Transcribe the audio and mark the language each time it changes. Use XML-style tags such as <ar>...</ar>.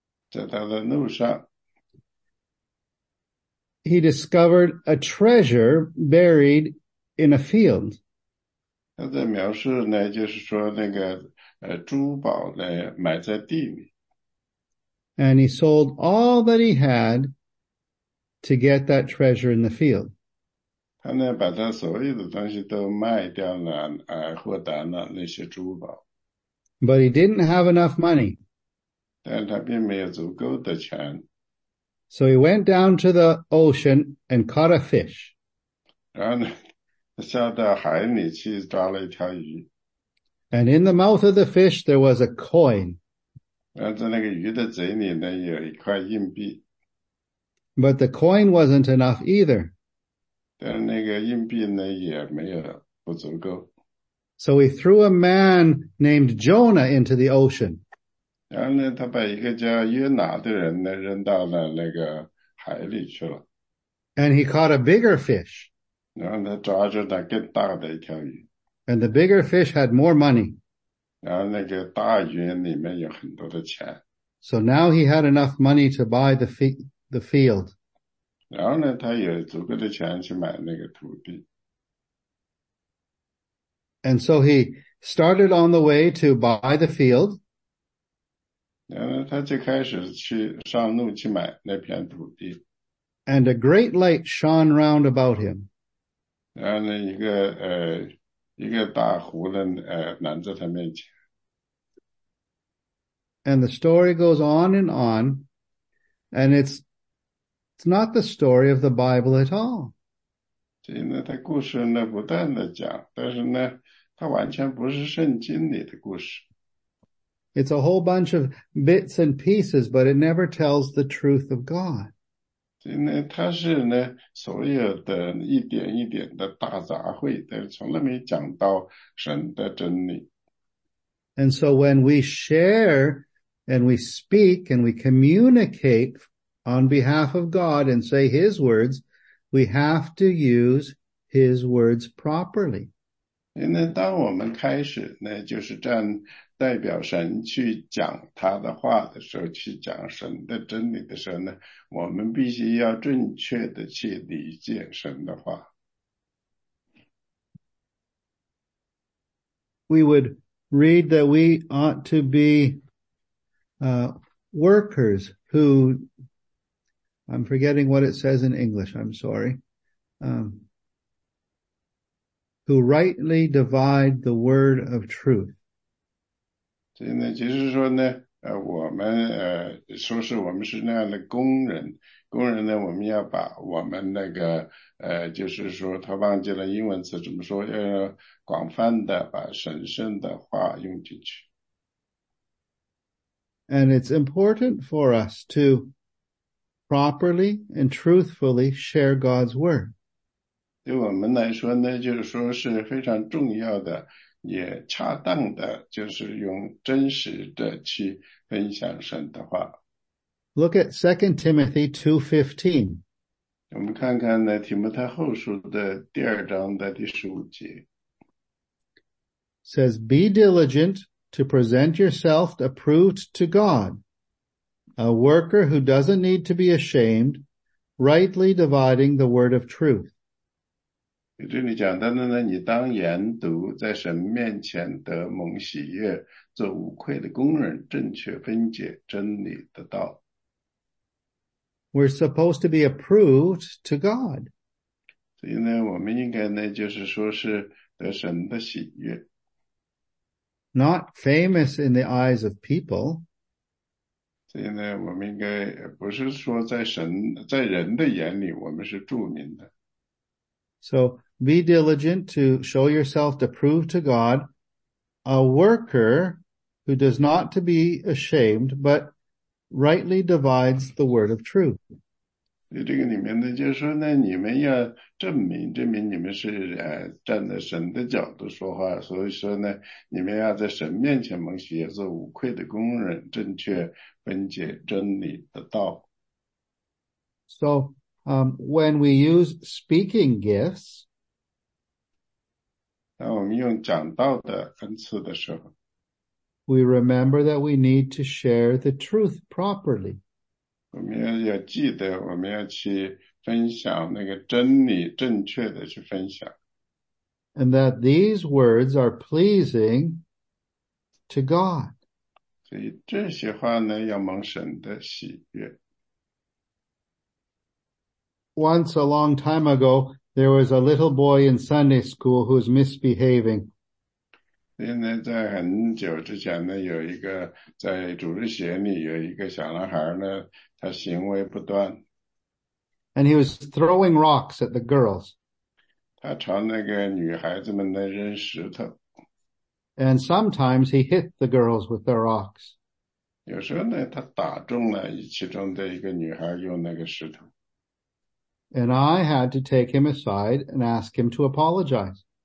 <zh>在他的路上，</zh> <en>he discovered a treasure buried in a field.</en> <zh>他在描述呢，就是说那个珠宝呢埋在地里。</zh> <en>And he sold all that he had to get that treasure in the field.</en> <zh>他呢，把他所有的东西都卖掉了，获得了那些珠宝。</zh> <en>But he didn't have enough money.</en> <zh>但他并没有足够的钱。</zh> <en>So he went down to the ocean and caught a fish.</en> <zh>然后呢，他下到海里去抓了一条鱼。</zh> <en>And in the mouth of the fish, there was a coin.</en> <zh>然后在那个鱼的嘴里呢，有一块硬币。</zh> <en>But the coin wasn't enough either.</en> <zh>但那个硬币呢，也没有不足够。</zh> <en>So he threw a man named Jonah into the ocean.</en> <zh>然后呢，他把一个叫约拿的人呢，扔到了那个海里去了。</zh> <en>And he caught a bigger fish.</en> <zh>然后他抓住了更大的一条鱼。</zh> <en>And the bigger fish had more money.</en> <zh>然后那个大鱼里面有很多的钱。</zh> <en>So now he had enough money to buy the field.</en> <zh>然后呢，他有足够的钱去买那个土地。</zh> <en>And so he started on the way to buy the field.</en> <zh>然后呢，他就开始去上路去买那片土地。</zh> <en>And a great light shone round about him.</en> <zh>然后呢，一个大湖呢，拦在他面前。</zh> <en>And the story goes on and on, and it's not the story of the Bible at all.</en> <zh>所以呢，他故事呢不断的讲，但是呢，他完全不是圣经里的故事。</zh> <en>It's a whole bunch of bits and pieces, but it never tells the truth of God.</en> <zh>所以呢，他是呢所有的一点一点的大杂烩，但从来没讲到神的真理。</zh> <en>And so when we share and we speak and we communicate on behalf of God and say His words, we have to use His words properly.</en> <zh>因为当我们开始呢，就是站代表神去讲他的话的时候，去讲神的真理的时候呢，我们必须要正确的去理解神的话。</zh> <en>We would read that we ought to be workers who, I'm forgetting what it says in English, I'm sorry. Who rightly divide the word of truth.</en> <zh>所以呢，就是说呢，我们说是我们是那样的工人，工人呢，我们要把我们那个就是说他忘记了英文词怎么说，要广泛的把神圣的话用进去。</zh> <en>And it's important for us to properly and truthfully share God's word.</en> <zh>对我们来说呢，就是说是非常重要的，也恰当的，就是用真实的去分享神的话。</zh> <en>Look at 2 Timothy 2:15.</en> <zh>我们看看呢，提摩太后书的第二章的第十五节。</zh> <en>Says, be diligent to present yourself approved to God, a worker who doesn't need to be ashamed, rightly dividing the word of truth.</en> <zh>这里讲到呢，你当研读，在神面前得蒙喜悦，做无愧的工人，正确分解真理的道。</zh> <en>We're supposed to be approved to God.</en> <zh>所以呢，我们应该呢，就是说是得神的喜悦。</zh> <en>Not famous in the eyes of people.</en> <zh>所以呢，我们应该不是说在神在人的眼里我们是著名的。</zh> <en>So be diligent to show yourself to prove to God a worker who does not to be ashamed but rightly divides the word of truth.</en> <zh>所以这个里面呢，就是说呢，你们要证明你们是站在神的角度说话。所以说呢，你们要在神面前蒙喜悦，做无愧的工人，正确分解真理的道。</zh> <en>So, when we use speaking gifts,</en> <zh>当我们用讲道的恩赐的时候</zh> <en>，we remember that we need to share the truth properly.</en> <zh>我们要记得，我们要去分享那个真理，正确的去分享。</zh> <en>And that these words are pleasing to God.</en> <zh>所以这些话呢，要蒙神的喜悦。</zh> <en>Once a long time ago, There was a little boy in Sunday school who was misbehaving.</en> <zh>因为在很久之前呢，有一个在主日学里有一个小男孩呢，他行为不端。</zh> <en>And he was throwing rocks at the girls.</en> <zh>他朝那个女孩子们呢扔石头。</zh> <en>And sometimes he hit the girls with their rocks.</en> <zh>有时候呢，他打中了其中的一个女孩用那个石头。</zh> <en>And I had to take him aside and ask him to apologize.</en>